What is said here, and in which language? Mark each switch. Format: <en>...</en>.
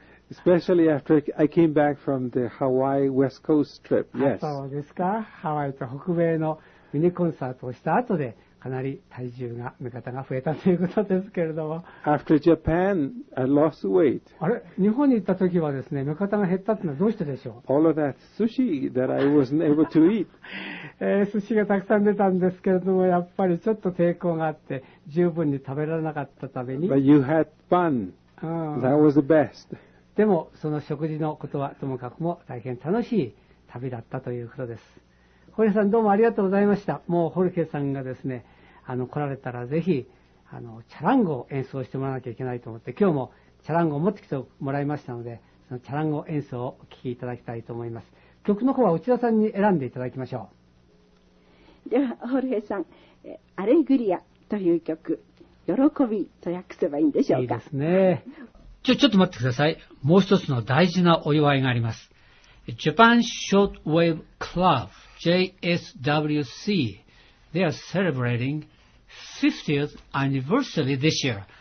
<en>Especially after I came back from the Hawaii West Coast trip. Yes.</en> <ja>そうですか。ハワイと北米のミニコンサートをした後でかなり体重が、目方が増えたということですけれども。</ja> <en>After Japan, I lost weight.</en> <ja>あれ、日本に行った時はですね、目方が減ったというのはどうしてでしょう。</ja> <en>All of that sushi that I wasn't able to eat.</en> <ja>寿司がたくさん出たんですけれども、やっぱりちょっと抵抗があって十分に食べられなかったために。</ja> <en>But you had fun. That was the best.</en> <ja>でもその食事のことはともかくも大変楽しい旅だったということです。ホルケさんどうもありがとうございました。もうホルケさんがですね、来られたらぜひチャランゴを演奏してもらわなきゃいけないと思って、今日もチャランゴを持ってきてもらいましたので、そのチャランゴ演奏をお聴きいただきたいと思います。曲の方は内田さんに選んでいただきましょう。ではホルケさん、アレグリアという曲、喜びと訳せばいいんでしょうか。いいですね。ちょっと待ってください。もう一つの大事なお祝いがあります。</ja> <en>Japan Shortwave ClubJSWC, they are celebrating 50th anniversary this year.</en>